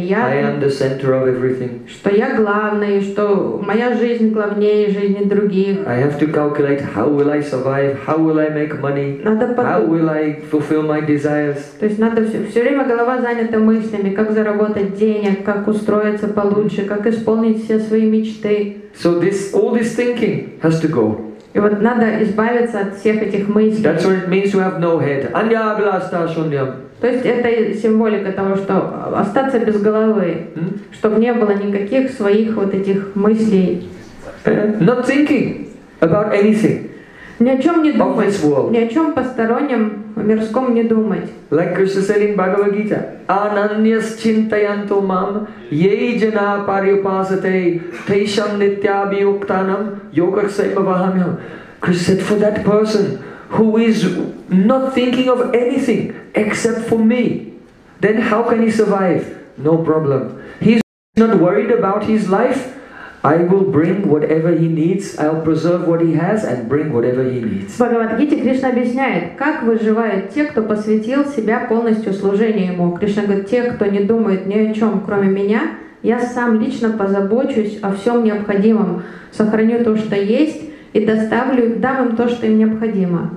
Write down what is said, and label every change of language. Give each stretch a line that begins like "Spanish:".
Russian: Я,
English: I am the center of everything.
Russian: Что я главный, что моя жизнь главнее жизни других.
English: I have to calculate how will I survive, how will I make money, how will I fulfill my desires.
Russian: То есть надо все время голова занята мыслями, как заработать денег, как устроиться получше, как исполнить все свои мечты.
English: So this all this thinking has to go.
Russian: И вот надо избавиться от всех этих мыслей.
English: That's what it means to have no head. Anya blasta shunyam.
Russian: То есть это символика того, что остаться без головы, чтобы не было никаких своих вот этих мыслей.
English: Not thinking about anything.
Russian: Ни о чем не думать. Ни о чем постороннем, мирском не думать.
English: Like Krishna said in Bhagavad Gita,
Sanskrit: Ananyas chintayanto mam yei jana paryupasate tesham nityabhi uktanam yogakshema vahamyam.
English: Krishna said, for that person who is not thinking of anything except for me, then how can he survive? No problem. He's not worried about his life. I will bring whatever he needs. I'll preserve what he has and bring whatever he needs.
Russian: В Бхагавад-гите Кришна объясняет, как выживают те, кто посвятил себя полностью служению ему. Кришна говорит, те, кто не думает ни о чем, кроме меня, я сам лично позабочусь о всем необходимом, сохраню то, что есть, и доставлю, дам им то, что им необходимо.